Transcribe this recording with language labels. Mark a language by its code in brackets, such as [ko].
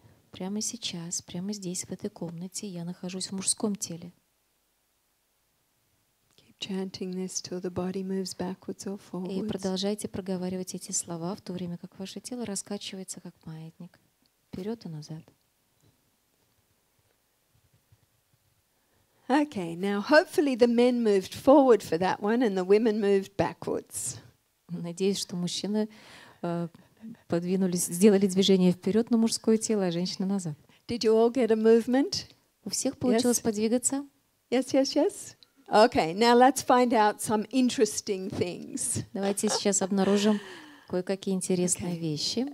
[ru] Прямо сейчас, прямо здесь, в этой комнате, я нахожусь в мужском теле. [en] Chanting this till the body moves backwards or forwards. [ru] И продолжайте проговаривать эти слова в то время, как ваше тело раскачивается как маятник, вперед и назад. [en] Okay, now hopefully the men moved forward for that one, and the women moved backwards. [ru] Надеюсь, что мужчины подвинулись, сделали движение вперед на мужское тело, а женщины назад. [en] Did you all get a movement? [ru] У всех получилось подвигаться? [en] Yes, yes, yes. Okay, now let's find out some interesting things. [ru] Давайте сейчас обнаружим кое-какие интересные вещи.